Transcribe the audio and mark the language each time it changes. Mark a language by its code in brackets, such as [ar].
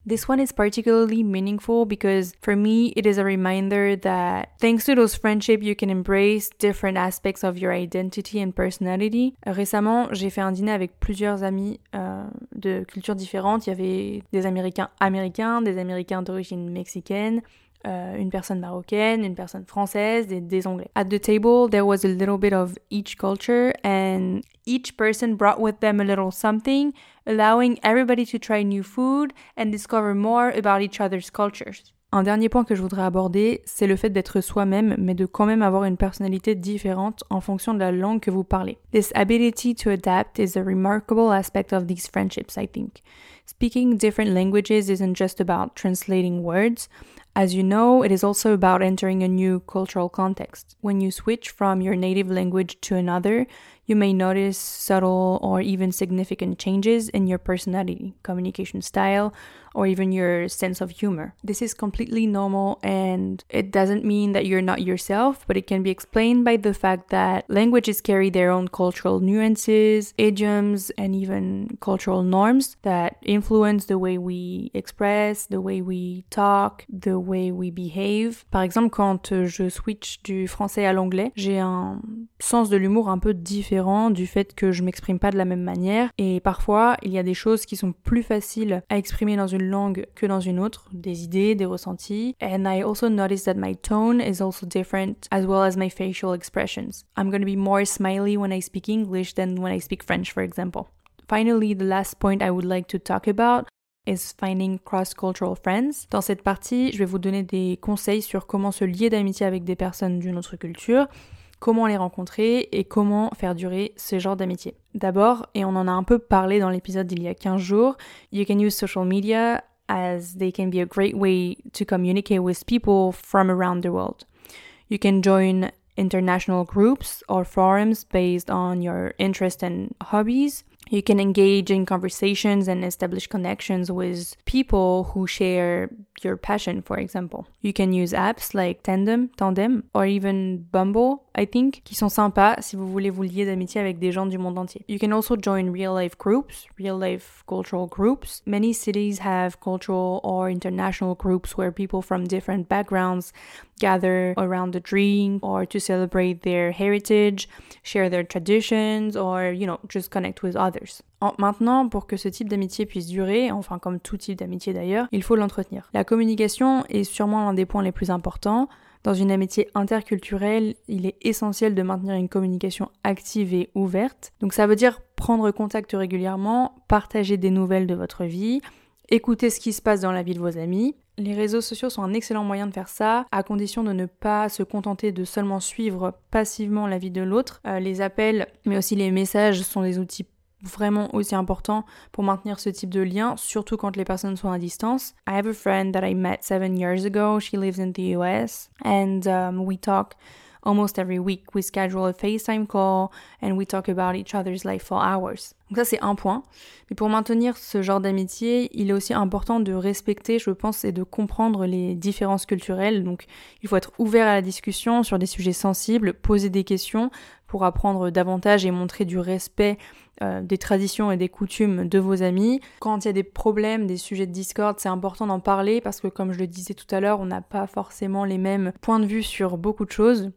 [en] This one is particularly meaningful because for me, it is a reminder that thanks to those friendships, you can embrace different aspects of your identity and personality. [fr] Récemment, j'ai fait un dîner avec plusieurs amis de cultures différentes. Il y avait des Américains américains, des Américains d'origine mexicaine, une personne marocaine, une personne française, des Anglais. [en] At the table, there was a little bit of each culture and each person brought with them a little something, allowing everybody to try new food and discover more about each other's cultures. [fr] Un dernier point que je voudrais aborder, c'est le fait d'être soi-même, mais de quand même avoir une personnalité différente en fonction de la langue que vous parlez. [en] This ability to adapt is a remarkable aspect of these friendships, I think. Speaking different languages isn't just about translating words. As you know, it is also about entering a new cultural context. When you switch from your native language to another, you may notice subtle or even significant changes in your personality, communication style, or even your sense of humor. This is completely normal and it doesn't mean that you're not yourself, but it can be explained by the fact that languages carry their own cultural nuances, idioms, and even cultural norms that influence the way we express, the way we talk, the way we behave. [fr] Par exemple, quand je switch du français à l'anglais, j'ai un sens de l'humour un peu différent du fait que je m'exprime pas de la même manière et parfois il y a des choses qui sont plus faciles à exprimer dans une langue que dans une autre, des idées, des ressentis. [en] And I also noticed that my tone is also different as well as my facial expressions. I'm going to be more smiley when I speak English than when I speak French, for example. Finally, the last point I would like to talk about is finding cross-cultural friends. [fr] Dans cette partie, je vais vous donner des conseils sur comment se lier d'amitié avec des personnes d'une autre culture, comment les rencontrer et comment faire durer ce genre d'amitié. D'abord, et on en a un peu parlé dans l'épisode d'il y a 15 jours, [en] you can use social media as they can be a great way to communicate with people from around the world. You can join international groups or forums based on your interests and hobbies. You can engage in conversations and establish connections with people who share your passion, for example. You can use apps like Tandem, or even Bumble, I think, [fr] qui sont sympas si vous voulez vous lier d'amitié avec des gens du monde entier. [en] You can also join real-life cultural groups. Many cities have cultural or international groups where people from different backgrounds gather around a drink or to celebrate their heritage, share their traditions, or, you know, just connect with others. [fr] Maintenant, pour que ce type d'amitié puisse durer, enfin comme tout type d'amitié d'ailleurs, il faut l'entretenir. La communication est sûrement l'un des points les plus importants. Dans une amitié interculturelle, il est essentiel de maintenir une communication active et ouverte. Donc ça veut dire prendre contact régulièrement, partager des nouvelles de votre vie, écouter ce qui se passe dans la vie de vos amis. Les réseaux sociaux sont un excellent moyen de faire ça, à condition de ne pas se contenter de seulement suivre passivement la vie de l'autre. Les appels, mais aussi les messages, sont des outils vraiment aussi important pour maintenir ce type de lien, surtout quand les personnes sont à distance. [en] I have a friend that I met 7 years ago. She lives in the US and we talk almost every week. We schedule a FaceTime call and we talk about each other's life for hours. [fr] Donc ça, c'est un point. Mais pour maintenir ce genre d'amitié, il est aussi important de respecter, je pense, et de comprendre les différences culturelles. Donc il faut être ouvert à la discussion sur des sujets sensibles, poser des questions pour apprendre davantage et montrer du respect des traditions et des coutumes de vos amis. Quand il y a des problèmes, des sujets de discorde, c'est important d'en parler parce que, comme je le disais tout à l'heure, on n'a pas forcément les mêmes points de vue sur beaucoup de choses.